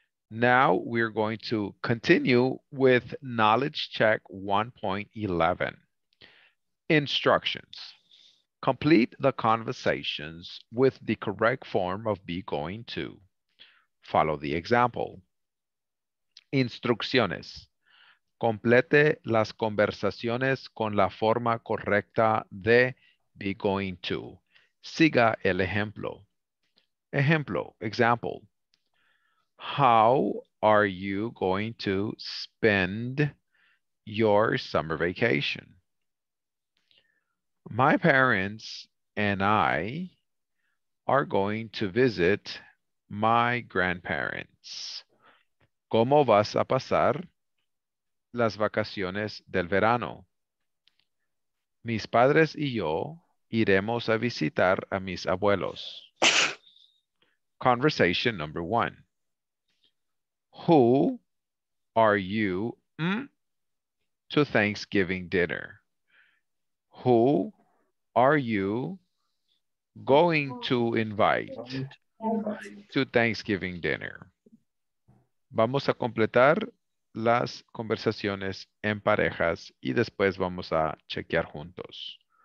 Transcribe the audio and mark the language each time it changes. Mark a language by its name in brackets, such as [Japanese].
[English] Now we're going to continue with knowledge check 1.11. Instructions. Complete the conversations with the correct form of be going to. Follow the example. Instrucciones. [Spanish] Complete las conversaciones con la forma correcta de [English] be going to. [Spanish] Siga el ejemplo. Ejemplo. Example. [English] How are you going to spend your summer vacation? My parents and I are going to visit my grandparents. [Spanish] ¿Cómo vas a pasar las vacaciones del verano? Mis padres y yo iremos a visitar a mis abuelos. [English] Conversation number one. Who are you to Thanksgiving dinner? Who are you going to invite to Thanksgiving dinner? [Spanish] Vamos a completar las conversaciones en parejas y después vamos a chequear juntos.